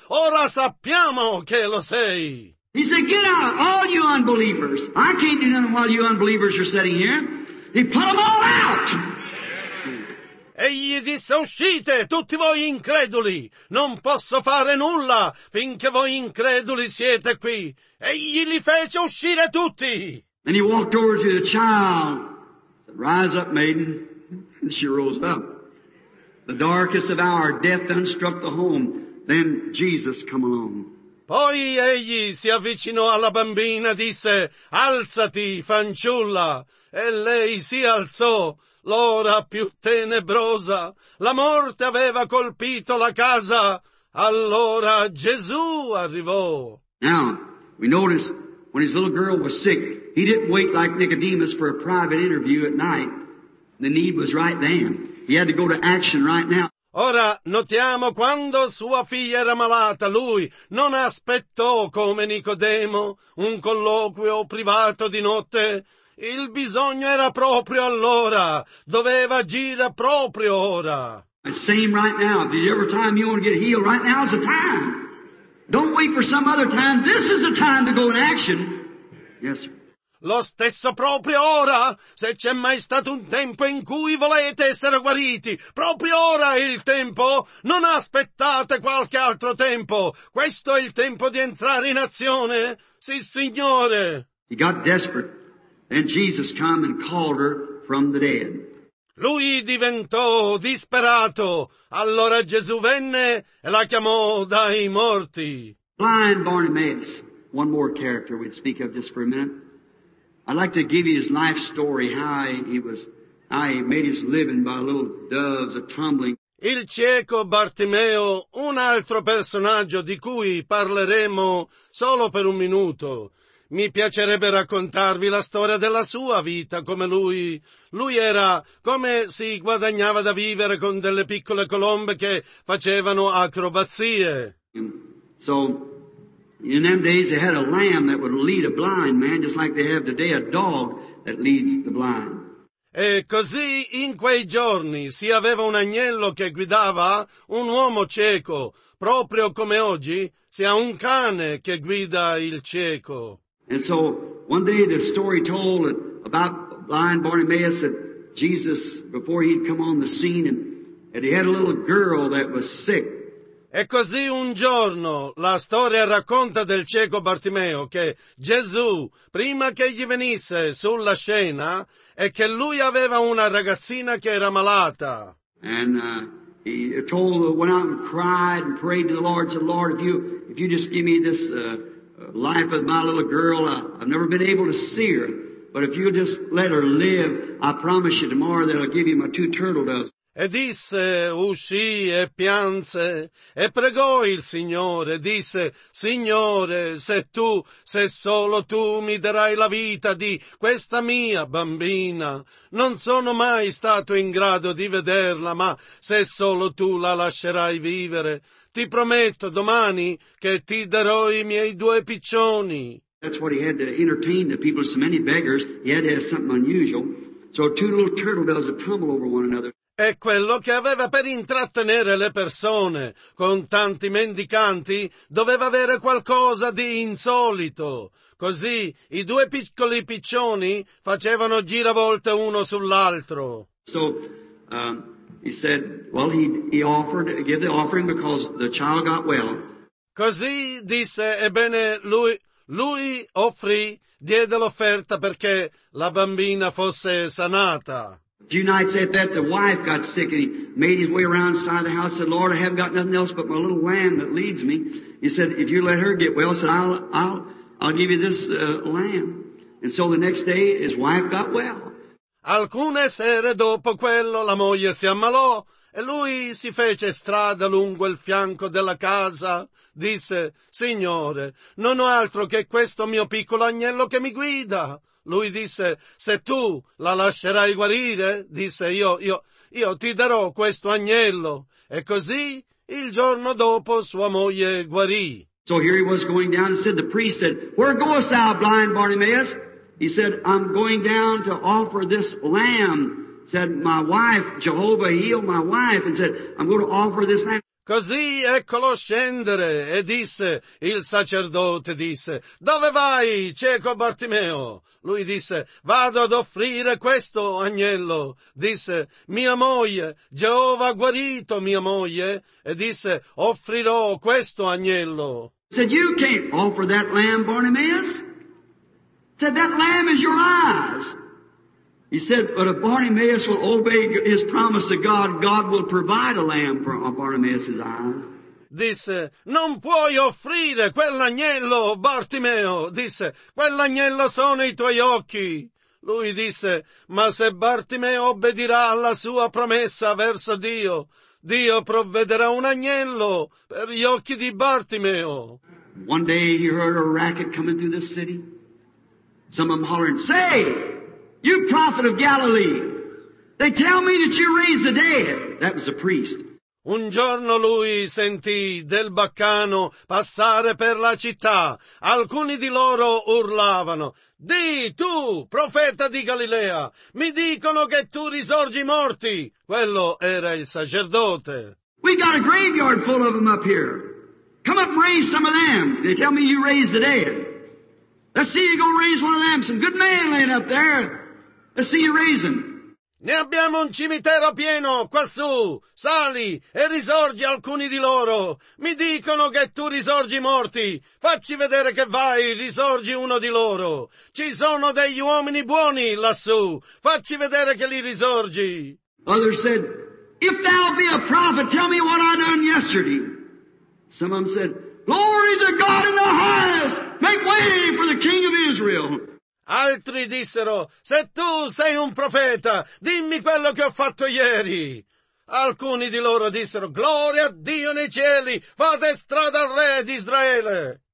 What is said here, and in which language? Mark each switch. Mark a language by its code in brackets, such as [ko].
[it] Ora sappiamo che lo sei. [en] He said, get out, all you unbelievers. I can't do nothing while you unbelievers are sitting here. He put them all out. [it] E gli disse, uscite, tutti voi increduli. Non posso fare nulla finché voi increduli siete qui. E gli li fece uscire tutti. [en] And he walked over to the child. Rise up, maiden. And she rose up. The darkest of hour, death unstruck the home. Then Jesus come along. [it] Poi egli si avvicinò alla bambina, disse, alzati, fanciulla. E lei si alzò. L'ora più tenebrosa. La morte aveva colpito la casa. Allora Gesù arrivò. [en] Now, we notice when his little girl was sick, he didn't wait like Nicodemus for a private interview at night. The need was right then. He had to go to action right now. [it] Ora, notiamo quando sua figlia era malata, lui non aspettò come Nicodemo un colloquio privato di notte. Il bisogno era proprio allora. Doveva agire proprio ora. [en] And same right now. If you ever time you want to get healed, right now is the time. Don't wait for some other time. This is the time to go in action. Yes, sir. [it] Lo stesso proprio ora, se c'è mai stato un tempo in cui volete essere guariti, proprio ora è il tempo, non aspettate qualche altro tempo, questo è il tempo di entrare in azione, sì signore. [en] He got desperate, and Jesus came and called her from the dead. [it] Lui diventò disperato, allora Gesù venne e la chiamò dai morti. [en] Blind Bartimaeus, one more character we'd speak of just for a minute. I'd like to give you his life story, how he made his living by little doves a tumbling. [it] Il cieco Bartimeo, un altro personaggio di cui parleremo solo per un minuto. Mi piacerebbe raccontarvi la storia della sua vita, come lui. Lui era come si guadagnava da vivere con delle piccole colombe che facevano acrobazie. [en] So, in them days they had a lamb that would lead a blind man, just like they have today a dog that leads the blind. [it] E così in quei giorni si aveva un agnello che guidava un uomo cieco, proprio come oggi si ha un cane che guida il cieco. [en] And so one day the story told about blind Bartimaeus that Jesus, before he'd come on the scene, and he had a little girl that was sick. [it] E così un giorno la storia racconta del cieco Bartimeo che Gesù, prima che gli venisse sulla scena, è che lui aveva una ragazzina che era malata. [en] And he told her, went out and cried and prayed to the Lord, said, Lord, if you just give me this life of my little girl, I've never been able to see her, but if you just let her live, I promise you tomorrow that I'll give you my two turtle doves. [it] E disse, uscì e pianse, e pregò il Signore, disse, Signore, se solo tu mi darai la vita di questa mia bambina, non sono mai stato in grado di vederla, ma se solo tu la lascerai vivere, ti prometto domani che ti darò i miei due piccioni. [en] That's what he had to entertain the people, so many beggars, he had to have something unusual, so two little turtle doves would tumble over one another. [it] È quello che aveva per intrattenere le persone. Con tanti mendicanti doveva avere qualcosa di insolito. Così i due piccoli piccioni facevano giravolte uno sull'altro. [en] So, he said, well, he offered, give the offering because the child got well. [it] Così disse, ebbene, lui offrì, diede l'offerta perché la bambina fosse sanata. [en] A few nights after that, the wife got sick, and he made his way around the side of the house, said, Lord, I haven't got nothing else but my little lamb that leads me. He said, if you let her get well, said, I'll give you this lamb. And so the next day, his wife got well. [it] Alcune sere dopo quello, la moglie si ammalò, E lui si fece strada lungo il fianco della casa. Disse, «Signore, non ho altro che questo mio piccolo agnello che mi guida». Lui disse, «Se tu la lascerai guarire», disse, «io ti darò questo agnello». E così, il giorno dopo, sua moglie guarì. [en] So here he was going down and said, the priest said, where goest thou, blind Bartimaeus? He said, I'm going down to offer this lamb. Said, my wife, Jehovah healed my wife. And said, I'm going to offer this lamb. [it] Così eccolo scendere. E disse, il sacerdote disse, dove vai, cieco Bartimeo? Lui disse, vado ad offrire questo agnello. Disse, mia moglie, Geova ha guarito mia moglie. E disse, offrirò questo agnello. [en] Said, you can't offer that lamb, Bartimaeus. Said, that lamb is your eyes. He said, but if Bartimaeus will obey his promise to God, God will provide a lamb for Bartimaeus' eyes. [it] Disse, non puoi offrire quell'agnello, Bartimeo. Disse, quell'agnello sono i tuoi occhi. Lui disse, ma se Bartimeo obbedirà alla sua promessa verso Dio, Dio provvederà un agnello per gli occhi di Bartimeo. [en] One day he heard a racket coming through the city. Some of them hollering, say, you prophet of Galilee, they tell me that you raised the dead. That was a priest. [it] Un giorno lui sentì del baccano passare per la città. Alcuni di loro urlavano, «Di tu, profeta di Galilea, mi dicono che tu risorgi morti!» Quello era il sacerdote. [en] We got a graveyard full of them up here. Come up and raise some of them. They tell me you raised the dead. Let's see you go raise one of them. Some good man laying up there. Let's see you raise him. [it] Ne abbiamo un cimitero pieno quassù. Sali e risorgi alcuni di loro. Mi dicono che tu risorgi morti. Facci vedere che vai, risorgi uno di loro. Ci sono degli uomini buoni lassù. Facci vedere che li risorgi. [en] Others said, if thou be a prophet, tell me what I done yesterday. Some of them said, glory to God in the highest. Make way for the King of Israel. [it] Altri dissero, se tu sei un profeta, dimmi quello che ho fatto ieri. Alcuni di loro dissero, gloria a Dio nei cieli, fate strada al re di Israele.